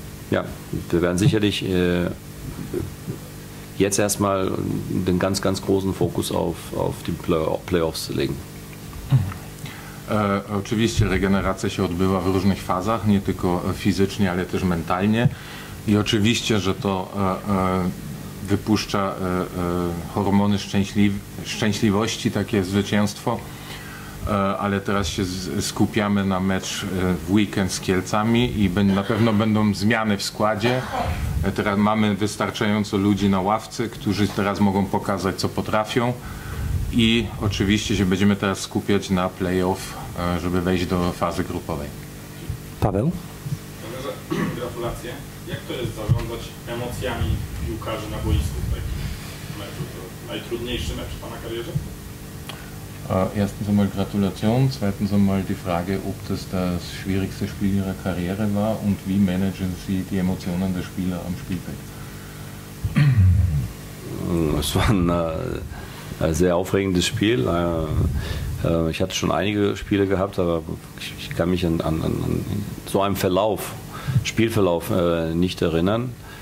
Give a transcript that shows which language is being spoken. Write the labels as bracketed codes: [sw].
[de] Ja, wir werden sicherlich jetzt erstmal den ganz, ganz großen Fokus auf die Playoffs legen. [pl] Oczywiście regeneracja się odbywa w różnych fazach, nie tylko fizycznie, ale też mentalnie. I oczywiście, że to wypuszcza hormony szczęśliwości, takie zwycięstwo. Ale teraz się skupiamy na mecz w weekend z Kielcami i na pewno będą zmiany w składzie. Teraz mamy wystarczająco ludzi na ławce, którzy teraz mogą pokazać, co potrafią. I oczywiście się będziemy teraz skupiać na play-off, żeby wejść do fazy grupowej. Paweł? Gratulacje. Jak to jest zarządzać emocjami piłkarzy na boisku w takim meczu? To najtrudniejszy mecz w pana karierze? [de] Erstens einmal Gratulation, zweitens einmal die Frage, ob das schwierigste Spiel Ihrer Karriere war, und wie managen Sie die Emotionen der Spieler am Spielfeld? Es war ein sehr aufregendes Spiel. Ich hatte schon einige Spiele gehabt, aber ich kann mich an so einen Spielverlauf nicht erinnern.